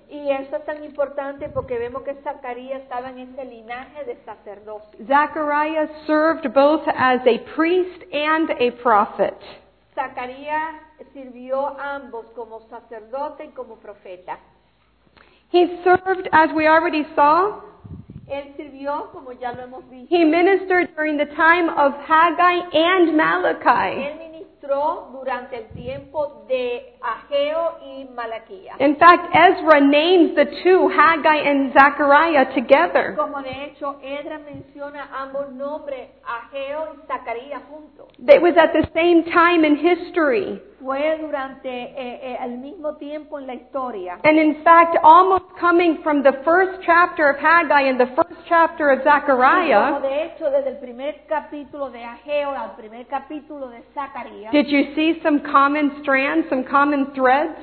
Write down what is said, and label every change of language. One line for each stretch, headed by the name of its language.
Spanish: Y eso es tan importante porque vemos que Zacarías estaba en ese linaje de sacerdote.
English: Zechariah served both as a priest and a prophet.
Spanish: Zacarías sirvió ambos como sacerdote y como profeta.
English: He served, as we already saw.
Spanish: Él sirvió, como ya lo hemos visto.
English: He ministered during the time of Haggai and Malachi.
Spanish: Él ministró durante el tiempo de Ageo y Malaquías.
English: In fact, Ezra names the two, Haggai and Zechariah, together.
Spanish: Como de hecho, Ezra menciona ambos nombres, Ageo y Zacarías, juntos.
English: It was at the same time in history.
Spanish: Fue durante el mismo tiempo en la historia.
English: And in fact, almost coming from the first chapter of Haggai and the first chapter of Zechariah.
Spanish: Como de hecho, desde el primer capítulo de Ageo al primer capítulo de Zacarías.
English: Did you see some common strands, some common threads?